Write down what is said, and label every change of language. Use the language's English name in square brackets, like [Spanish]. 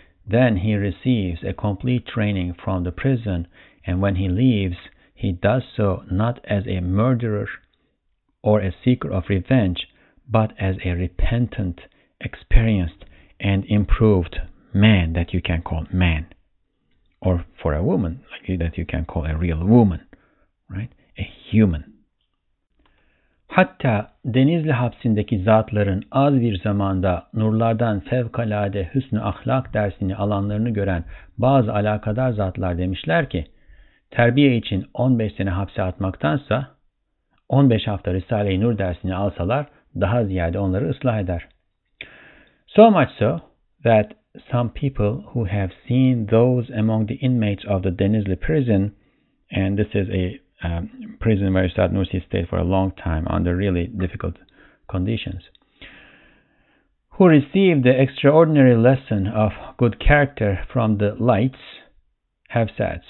[English] Then he receives a complete training from the prison, and when he leaves, he does so not as a murderer or a seeker of revenge, but as a repentant, experienced, and improved man that you can call man. Or for a woman, that you can call a real woman, right? A human. [Turkish] Hatta Denizli hapsindeki zatların az bir zamanda nurlardan fevkalade hüsnü ahlak dersini alanlarını gören bazı alakadar zatlar demişler ki, terbiye için 15 sene hapse atmaktansa, 15 hafta Risale-i Nur dersini alsalar daha ziyade onları ıslah eder. [English] So much so that some people who have seen those among the inmates of the Denizli prison, and this is a prison where Said Nursi stayed for a long time under really difficult conditions, who received the extraordinary lesson of good character from the lights, have said.